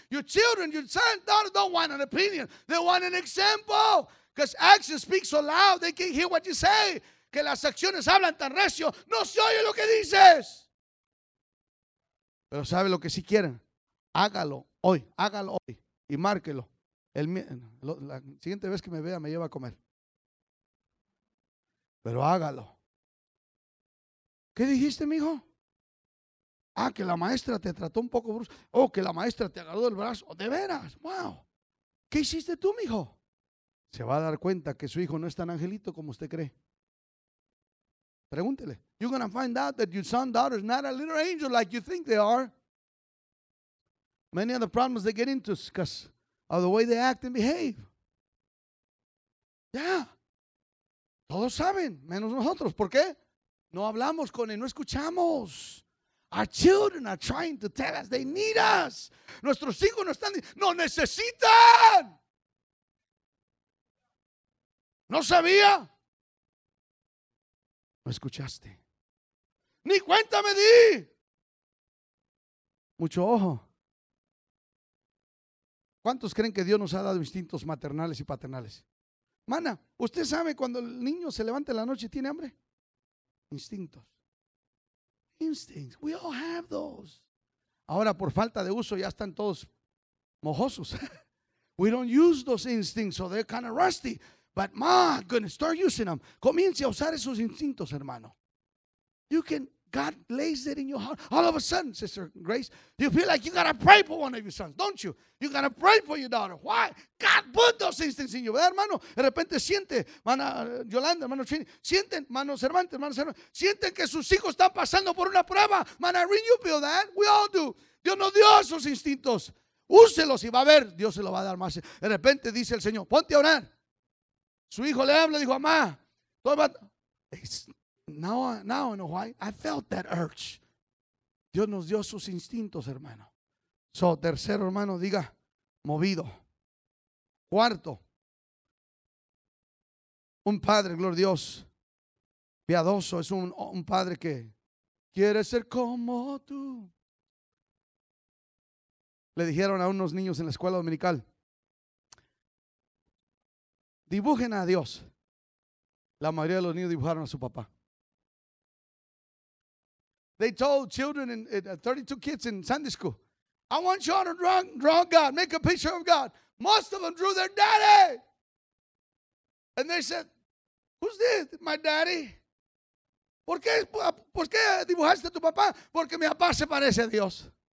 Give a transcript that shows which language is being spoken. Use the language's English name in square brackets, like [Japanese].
[English] Your children, your son, daughter don't want an opinion. They want an example. Because action speaks so loud, they can't hear what you say. [Spanish] Que las acciones hablan tan recio, no se oye lo que dices. Pero sabe lo que sí quieren. Hágalo hoy y márquelo. La siguiente vez que me vea me lleva a comer. Pero hágalo. ¿Qué dijiste, mijo? Ah, que la maestra te trató un poco brusco. Oh, que la maestra te agarró del brazo. De veras, wow. ¿Qué hiciste tú, mijo? Se va a dar cuenta que su hijo no es tan angelito como usted cree. Pregúntele. [English] You're going to find out that your son, daughter is not a little angel like you think they are. Many of the problems they get into is because of the way they act and behave. Yeah. [Spanish] Todos saben, menos nosotros. ¿Por qué? No hablamos con él, no escuchamos. [English] Our children are trying to tell us they need us. [Spanish] Nuestros hijos no están, no necesitan. No sabía. No escuchaste. Ni cuenta me di. Mucho ojo. ¿Cuántos creen que Dios nos ha dado instintos maternales y paternales? Mana, ¿usted sabe cuando el niño se levanta en la noche y tiene hambre? Instintos. [English] Instincts. We all have those. [Spanish] Ahora, por falta de uso, ya están todos mojosos. [English] We don't use those instincts, so they're kind of rusty. But my goodness, start using them. [Spanish] Comience a usar esos instintos, hermano. [English] God lays it in your heart. All of a sudden, Sister Grace, you feel like you got to pray for one of your sons, don't you? You got to pray for your daughter. Why? God put those instincts in you. [Spanish] ¿Verdad, hermano? De repente siente, hermana Yolanda, hermano Trini, sienten, hermano Cervantes, hermano Cervantes, sienten que sus hijos están pasando por una prueba. [English] Man, I really feel that. We all do. [Spanish] Dios nos dio esos instintos. Úselos y va a ver. Dios se lo va a dar más. De repente dice el Señor, ponte a orar. Su hijo le habla y dijo, mamá, todo va. [English] Now I know why. I felt that urge. [Spanish] Dios nos dio sus instintos, hermano. So, tercero, hermano, diga, movido. Cuarto, un padre, gloria a Dios, piadoso, es un padre que quiere ser como tú. Le dijeron a unos niños en la escuela dominical, dibujen a Dios. La mayoría de los niños dibujaron a su papá. [English] They told children, in 32 kids in Sunday school, I want you to draw God, make a picture of God. Most of them drew their daddy. And they said, who's this, my daddy? [Spanish] ¿Por qué dibujaste a tu papá? Porque mi papá se parece a Dios.